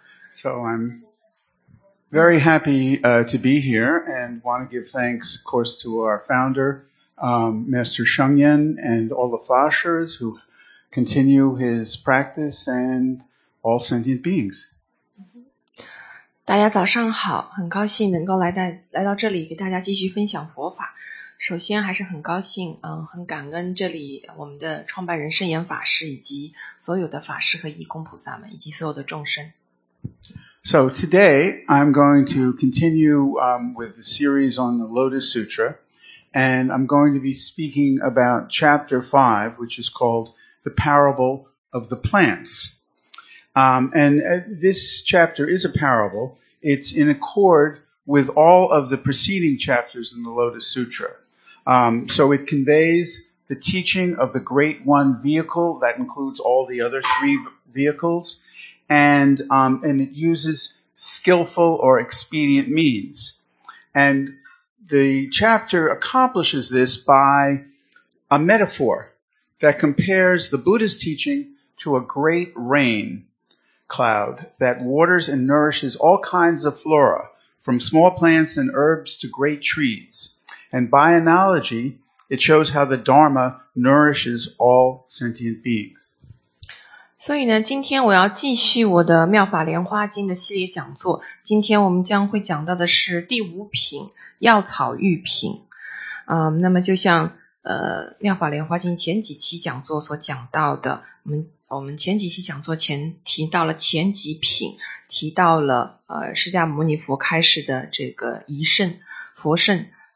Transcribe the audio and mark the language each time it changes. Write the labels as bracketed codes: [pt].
[en] So I'm very happy to be here and want to give thanks, of course, to our founder, Master Shengyan, and all the Fashers who continue his practice and all sentient beings. [zh] 大家早上好，很高兴能够来到这里给大家继续分享佛法。首先还是很高兴，很感恩这里我们的创办人圣严法师以及所有的法师和义工菩萨们以及所有的众生。 [en] So today I'm going to continue with the series on the Lotus Sutra, and I'm going to be speaking about Chapter 5, which is called the Parable of the Plants. And this chapter is a parable. It's in accord with all of the preceding chapters in the Lotus Sutra. So it conveys the teaching of the Great One Vehicle that includes all the other three vehicles, and it uses skillful or expedient means. And the chapter accomplishes this by a metaphor that compares the Buddha's teaching to a great rain cloud that waters and nourishes all kinds of flora, from small plants and herbs to great trees. And by analogy, it shows how the Dharma nourishes all sentient beings. [zh] 所以呢，今天我要继续我的《妙法莲花经》的系列讲座。今天我们将会讲到的是第五品药草御品。那么就像《妙法莲花经》前几期讲座所讲到的，我们前几期讲座前提到了前几品，提到了释迦牟尼佛开示的这个仪圣佛圣。